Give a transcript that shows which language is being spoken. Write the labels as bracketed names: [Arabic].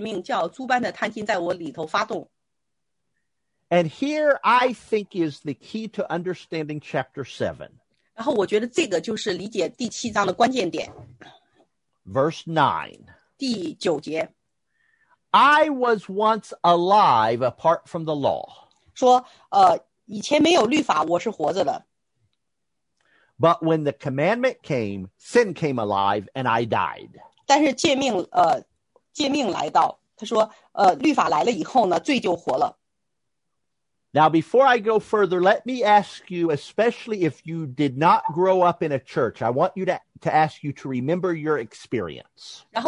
[Chinese] 然后，然而罪称的机会，就借着诫命，叫诸般的贪心在我里头发动。 [English] And here I think is the key to understanding chapter 7. [Chinese] 然后我觉得这个就是理解第七章的关键点。 [English] Verse 9. [Chinese] 第九节。 [English] I was once alive apart from the law. [Chinese] 说，以前没有律法，我是活着的。 [English] But when the commandment came, sin came alive and I died. [Chinese] 但是诫命来到，他说，律法来了以后呢，罪就活了。 [English] Now before I go further, let me ask you, especially if you did not grow up in a church, I want you to ask you to remember your experience.